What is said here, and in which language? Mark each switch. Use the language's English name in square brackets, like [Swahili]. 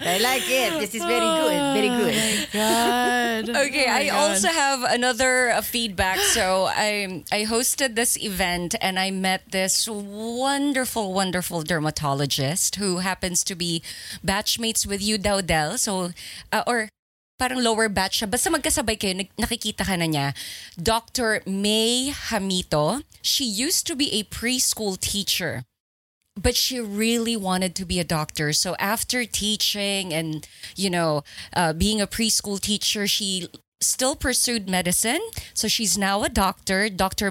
[English] This is very good. Very good. Oh my God. Okay, oh my I God. Also have another feedback. So I hosted this event and I met this wonderful, wonderful dermatologist who happens to be batchmates with you, Daudel. [Filipino] So, or parang lower batch siya. Basta magkasabay kayo, nakikita ka na niya. [English] Dr. May Hamito. She used to be a preschool teacher. But she really wanted to be a doctor. So after teaching and, you know, being a preschool teacher, she still pursued medicine. So she's now a doctor, Dr.